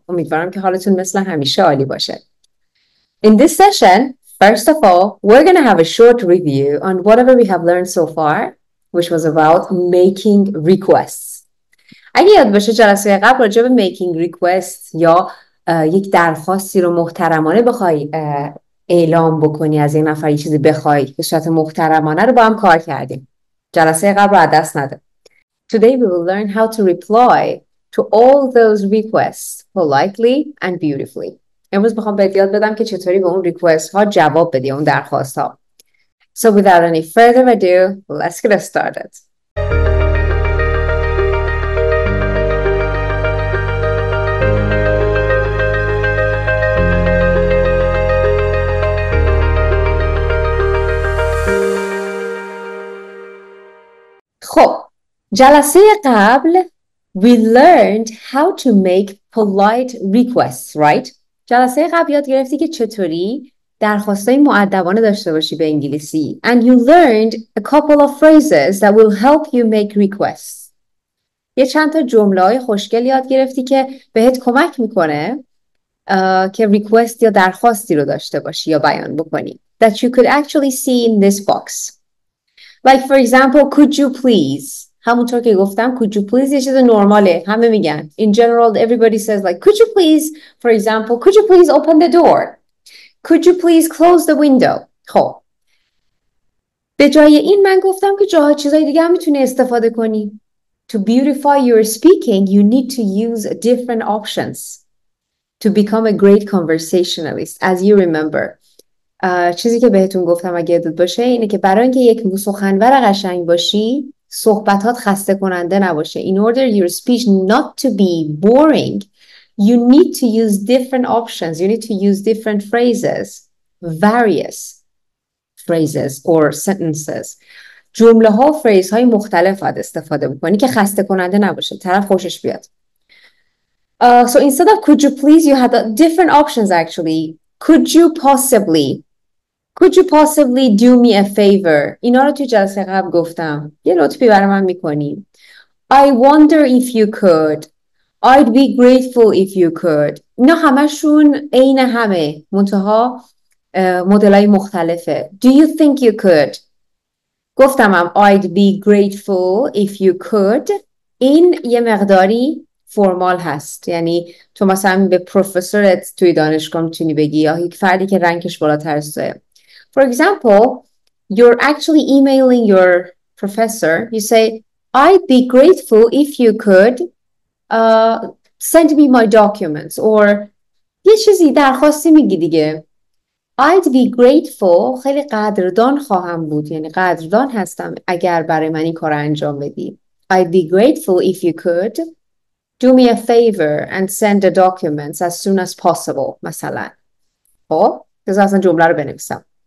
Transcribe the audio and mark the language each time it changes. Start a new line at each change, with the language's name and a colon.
Persian: امیدوارم که حالتون مثل همیشه عالی باشه.
English: In this session, first of all, we're going to have a short review on whatever we have learned so far, which was about making requests.
Persian: اگه یاد باشه جلسه قبل راجع به
English: making requests
Persian: یا یک درخواستی رو محترمانه بخوای اعلام بکنی، از یه نفر یه چیزی بخوای به صورت محترمانه رو با هم کار کردیم. جلسه قبل رو دست نده.
English: Today we will learn how to reply to all those requests politely and beautifully.
Persian: امروز میخوام بهت یاد بدم که چطوری به اون ریکوست ها جواب بدی، اون درخواست ها.
English: So without any further ado, let's get started.
Persian: خب، جلسه قبل
English: we learned how to make polite requests, right?
Persian: جلسه قبل یاد گرفتی که چطوری درخواستای مؤدبانه داشته باشی به انگلیسی.
English: And you learned a couple of phrases that will help you make requests.
Persian: یه چند تا جمله های خوشگل یاد گرفتی که بهت کمک میکنه که request یا درخواستی رو داشته باشی یا بیان بکنی.
English: That you could actually see in this box. Like for example, could you please?
Persian: همونطور که گفتم
English: could you please
Persian: یه چیز نرماله، همه میگن.
English: In general, everybody says like could you please, for example, could you please open the door? Could you please close the window?
Persian: خب، به جای این من گفتم که جاها چیزای دیگه هم میتونی استفاده کنی.
English: To beautify your speaking, you need to use different options to become a great conversationalist, as you remember.
Persian: چیزی که بهتون گفتم اگه یادت باشه اینه که برای اینکه یک سخنور قشنگ باشی، صحبتات خسته کننده نباشه.
English: In order your speech not to be boring, you need to use different options. You need to use different phrases, various phrases or sentences.
Persian: جمله ها و فریز های مختلف باید استفاده بکنی که خسته کننده نباشه، طرف خوشش بیاد.
English: So instead of could you please, you have different options actually. Could you possibly do me a favor?
Persian: اینا رو تو جلسه قبل گفتم. یه لطفی برام میکنی.
English: I wonder if you could. I'd be grateful if you could.
Persian: اینا همشون عین همه، منتها مدلای مختلفه.
English: Do you think you could?
Persian: گفتم هم
English: I'd be grateful if you could.
Persian: این یه مقداری فرمال هست، یعنی تو مثلا به پروفسورت توی دانشگاه میتونی بگی یا یک فردی که رنکش بالاتر است.
English: For example, you're actually emailing your professor. You say, I'd be grateful if you could send me my documents.
Persian: Or یه چیزی درخواستی میگی دیگه.
English: I'd be grateful,
Persian: خیلی قدردان خواهم بود. یعنی قدردان هستم اگر برای من این کار انجام بدی.
English: I'd be grateful if you could do me a favor and send the documents as soon as possible,
Persian: مثلا. خب، از اصلا جمله رو بنویسم.